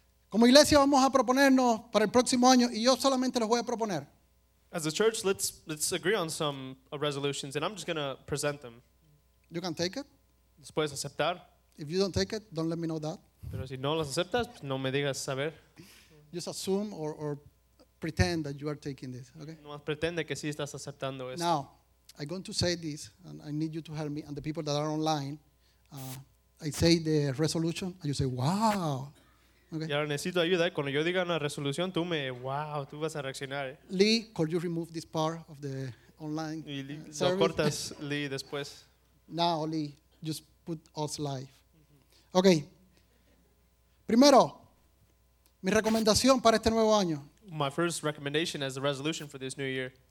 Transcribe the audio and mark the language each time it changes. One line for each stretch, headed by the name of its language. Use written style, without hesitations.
Spanish: Como iglesia vamos a proponernos para el próximo año y yo solamente los voy a proponer.
English: As a church, let's agree on some resolutions, and I'm just going to present them. You can take it.
Spanish: ¿Los puedes aceptar?
English: If you don't take it, don't let me know that.
Spanish: Pero si no los aceptas, no me digas saber.
English: Just assume or pretend that you are taking this, okay?
Spanish: No, pretende que sí estás aceptando esto.
English: Now, I'm going to say this, and I need you to help me, and the people that are online, I say the resolution, and you say, wow.
Spanish: Okay. Y ahora necesito ayuda. Cuando yo diga una resolución, tú me, wow, tú vas a reaccionar.
English: Lee, could you remove this part of the online
Spanish: y Lee, service? Lo cortas, Lee, después.
English: Now, Lee, just put us live. Okay.
Spanish: Primero, mi recomendación para este nuevo año.
English: My first recommendation as a resolution for this new year.